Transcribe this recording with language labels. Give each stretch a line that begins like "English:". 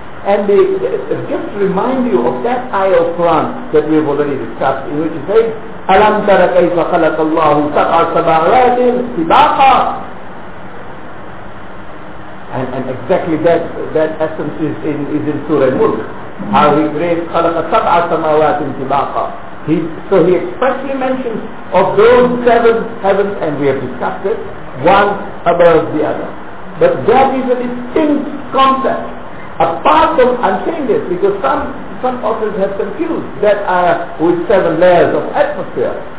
English: And just to remind you of that ayah of Quran that we have already discussed, in which it says,
Arabic: أَلَمْ تَرَ كَيْفَ خَلَقَ اللَّهُ سَبْعَ سَمَاوَاتٍ طِبَاقًا.
English: And exactly that essence is in Surah Al-Mulk. How he created
Arabic: خَلَقَ سَبْعَ سَمَاوَاتٍ طِبَاقًا.
English: So he expressly mentions of those 7 heavens, and we have discussed it, one above the other. But that is a distinct concept. Apart from, I'm saying this because some authors have confused that with 7 layers of atmosphere.